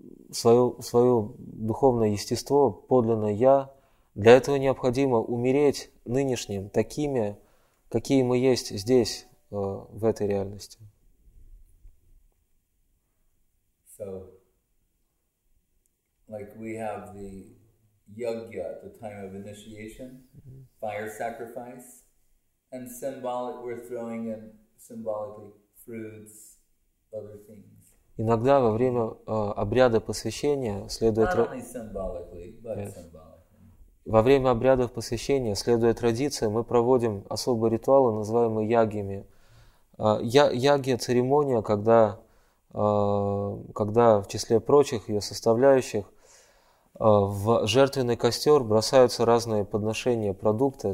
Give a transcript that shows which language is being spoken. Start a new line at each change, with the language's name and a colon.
Russian: свое духовное естество, подлинное «я», для этого необходимо умереть нынешним такими, какие мы есть здесь, в этой реальности.
English: So, like we have the yajna, the time of initiation, fire sacrifice, and symbolic, we're throwing in symbolically fruits, other things.
Russian: Иногда во время обряда посвящения следует...
English: Not only symbolically, but yes. Symbolically.
Russian: Во время обрядов посвящения, следуя традиции, мы проводим особые ритуалы, называемые ягьями. Ягья – церемония, когда в числе прочих ее составляющих в жертвенный костер бросаются разные подношения, продукты.